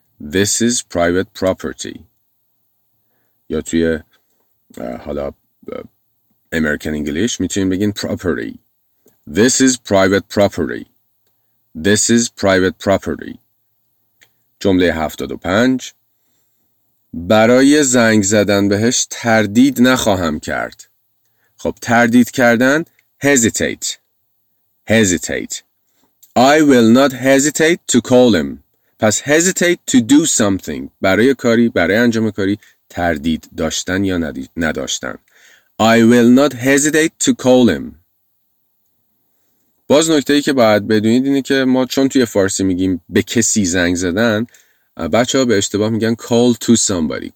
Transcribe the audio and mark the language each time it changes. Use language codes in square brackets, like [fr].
[en] This is private property. [fa] یا توی حالا American English میتونیم بگیم [en] property. This is private property. This is private property. [fa] جمله 75. برای زنگ زدن بهش تردید نخواهم کرد. خب تردید کردن hesitate. [en] Hesitate. I will not hesitate to call him. [fa] پس [en] hesitate to do something [fa] برای کاری، برای انجام کاری تردید داشتن یا نداشتن. [en] I will not hesitate to call him. [fa] باز نکته‌ای که باید بدونید اینه که ما چون توی فارسی میگیم به کسی زنگ زدن، بچه‌ها به اشتباه میگن [en] call to somebody.